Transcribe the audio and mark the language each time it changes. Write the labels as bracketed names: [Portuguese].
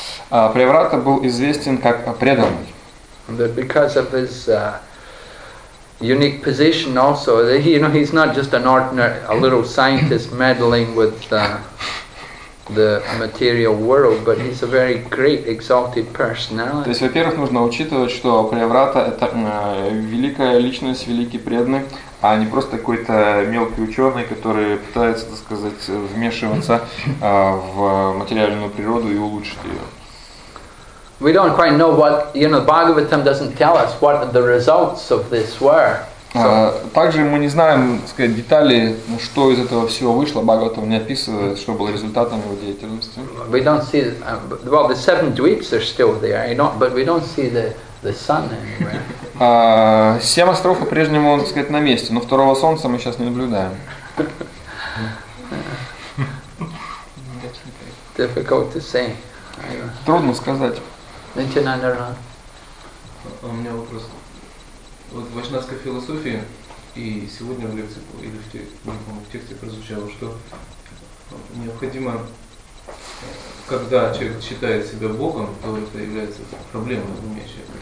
[Russian] Priyavrata был известен как преданный. [English] But because of his unique position, also, he's not just an ordinary, a little scientist meddling with. The material world, but he's a very great exalted personality. [Russian] То есть, во-первых, нужно учитывать, что Приаврата это великая личность, великий преданный, а не просто какой-то мелкий ученый, который пытается, так сказать, вмешиваться в материальную природу и улучшить ее. [English] We don't quite know what, you know, Bhagavatam doesn't tell us what the results of this were. [Russian] Также мы не знаем, так сказать, детали, что из этого всего вышло. Бхагаватам не описывает, что было результатом его деятельности. [English] We don't see the seven dweeps are still there, you know, but we don't see the sun anywhere. [Russian] Семь островов по-прежнему, так сказать, на месте, но второго солнца мы сейчас не наблюдаем. [English] Difficult to say. [Russian] Трудно сказать. [English] Nityananda. [Russian] У меня вопрос. Вот в вайшнавской философии, и сегодня в лекции, или в тексте прозвучало, что необходимо, когда человек считает себя Богом, то это является проблемой в уме человека.